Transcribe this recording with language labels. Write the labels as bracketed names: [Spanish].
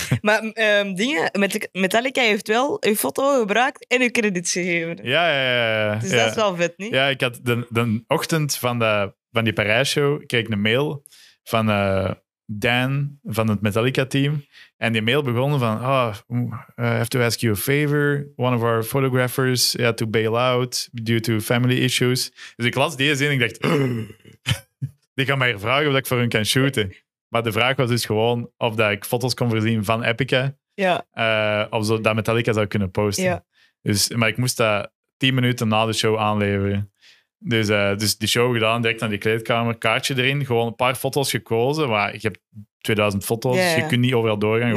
[Dutch] Maar Metallica heeft wel uw foto gebruikt en uw credits gegeven. Ja. Dus dat is wel vet, niet? Ja, ik had de ochtend van die Parijs-show, kreeg ik een mail van Dan van het Metallica-team. En die mail begon van, [English] have to ask you a favor. One of our photographers had to bail out due to family issues. [Dutch] Dus ik las die zin en ik dacht... Die gaan mij vragen of ik voor hun kan shooten. Maar de vraag was dus gewoon of dat ik foto's kon voorzien van Epica. Ja. Of dat Metallica zou kunnen posten. Ja. Dus, maar ik moest dat 10 minuten na de show aanleveren. Dus die show gedaan, direct naar die kleedkamer, kaartje erin, gewoon een paar foto's gekozen, maar ik heb 2000 foto's, yeah, dus je kunt niet overal doorgaan.